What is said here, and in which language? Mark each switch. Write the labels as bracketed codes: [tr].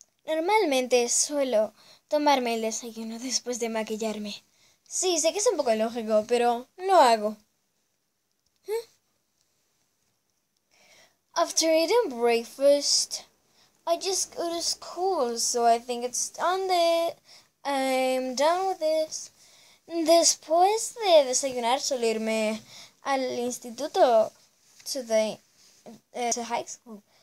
[es] Normalmente suelo tomarme el desayuno después de maquillarme. Sí, sé que es un poco lógico, pero no hago. [en] After eating breakfast, I just go to school, so I think it's done I'm done with this. [es] Después de desayunar, suelo irme al instituto [en] to high school.